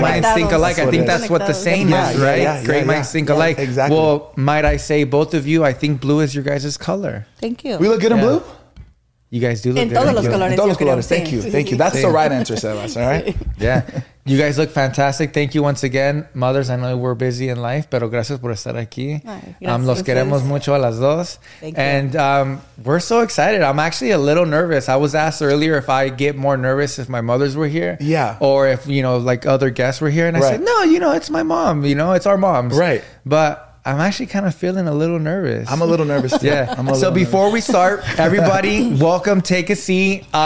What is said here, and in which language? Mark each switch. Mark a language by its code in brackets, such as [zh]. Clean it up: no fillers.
[en] Great minds think alike. I think that's what the saying is, right? Yeah, great minds think alike. Exactly. Well, might I say, both of you, I think blue is your guys' color. Thank you. We look good in blue? You guys do look [es] good. En todos los colores. [en] Thank you. Thank you. That's the right answer, Sebas. All right. Yeah. You guys look fantastic. Thank you once again. Mothers, I know we're busy in life, [es] pero gracias por estar aquí. Los queremos mucho a las dos. [en] And we're so excited. I'm actually a little nervous. I was asked earlier if I get more nervous if my mothers were here. Yeah. Or if, you know, like other guests were here. And I said, no, you know, it's my mom. You know, it's our moms. Right. But I'm actually kind of feeling a little nervous. I'm a little nervous too. Yeah. So before we start, everybody, welcome. Take a seat.